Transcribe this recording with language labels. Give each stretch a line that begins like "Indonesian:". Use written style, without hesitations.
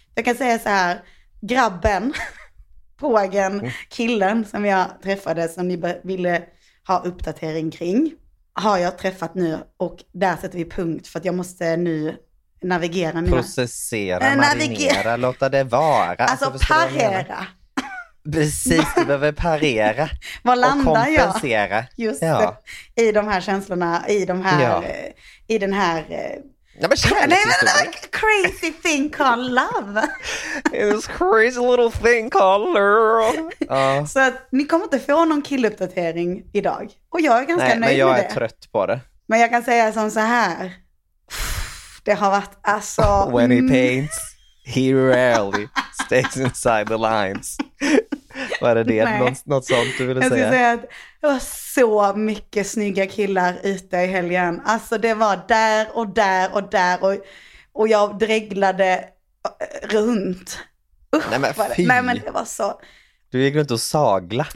Swedish: Jag kan säga så här, grabben, pågen, killen som jag träffade, som ni ville ha uppdatering kring, har jag träffat nu, och där sätter vi punkt, för att jag måste nu navigera mina... Processera, marinera, låta det vara. Alltså parera. Precis, du behöver parera. Var landar och kompensera. Jag? Just ja. I de här känslorna, i de här... Ja. I den här... Ja, men kärlekshistorien. Nej, men
English: like a crazy thing called love. It's a crazy little thing called love.
Swedish: Så att ni kommer inte få någon killuppdatering idag. Och jag är ganska nöjd med det. Nej, men jag är trött på det. Men jag kan säga som så här. Det har varit
English: When he paints, he rarely stays inside the lines.
Swedish: Vad är det? Något sånt du ville jag säga? Jag skulle säga att det var så mycket snygga killar ute i helgen. Alltså det var där och där och där. Och jag dreglade runt. Usch, nej, men fy. Nej, men det var så. Du gick runt och sagla.